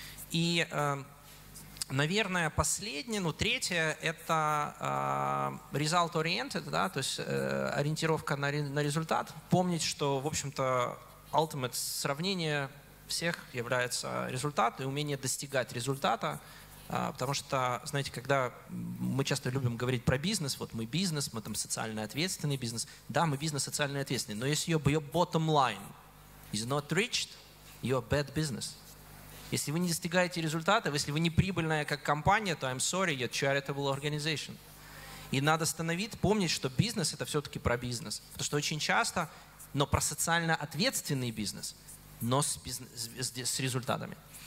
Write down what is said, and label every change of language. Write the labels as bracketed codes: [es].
[ru] И, наверное, последнее, ну, третье – это [en] result-oriented, [ru] да, то есть ориентировка на результат. Помнить, что, в общем-то, [en] ultimate [ru] сравнение всех является результат и умение достигать результата. Потому что, знаете, когда мы часто любим говорить про бизнес, вот мы бизнес, мы там социально ответственный бизнес. Да, мы бизнес социально ответственный, но если ее [en] bottom line is not reached, you're a bad business. [ru] Если вы не достигаете результатов, если вы не прибыльная как компания, то [en] I'm sorry, you're a charitable organization. [ru] И надо становиться, помнить, что бизнес – это все-таки про бизнес. Потому что очень часто, но про социально ответственный бизнес, но с результатами.